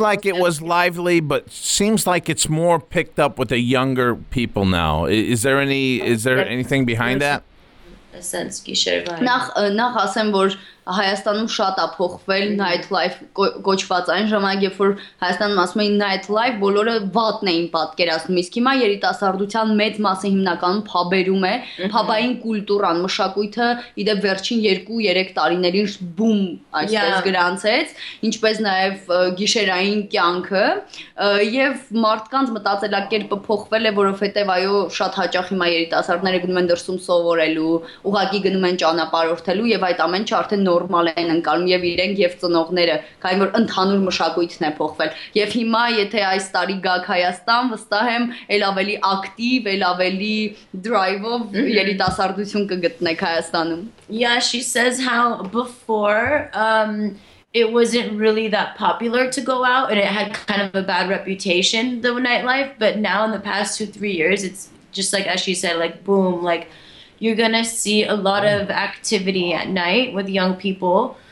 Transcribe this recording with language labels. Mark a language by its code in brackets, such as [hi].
[en] like it was lively, but seems like it's more picked up with the younger people now. Is there anything behind that? [hy] Նախ ասեմ, որ Հայաստանում շատ է փոխվել nightlife կոչված այն ժամանակ, երբ որ Հայաստանում ասում էին nightlife, բոլորը վատն էին պատկերացնում, իսկ հիմա երիտասարդության մեծ մասը հիմնականում փաբերում է, փաբային կուլտուրան, մշակույթը իդեպ վերջին 2-3 տարիներին բում այսպես գրանցեց, ինչպես նաև գիշերային կյանքը, եւ մարդկանց մտածելակերպը փոխվել է, որովհետեւ այո, շատ հաճախ հիմա երիտասարդները գնում են դրսում սովորելու, ուղղակի գնում են ճանապարհորդելու, եւ այդ ամենը չարթ նորմալ են ընկալում եւ իրենք եւ ծնողները, քանի որ ընդհանուր մշակույթն է փոխվել։ Եվ հիմա, եթե այս տարի գաք Հայաստան, վստահ եմ, ել ավելի ակտիվ, ել ավելի drive-ով երիտասարդություն կգտնեք Հայաստանում։ [en] Yeah, she says how before it wasn't really that popular to go out, and it had kind of a bad reputation, the nightlife. But now in the past 2-3 years, it's just like, as she said, like, boom, like, you're going to see a lot of activity at night with young people.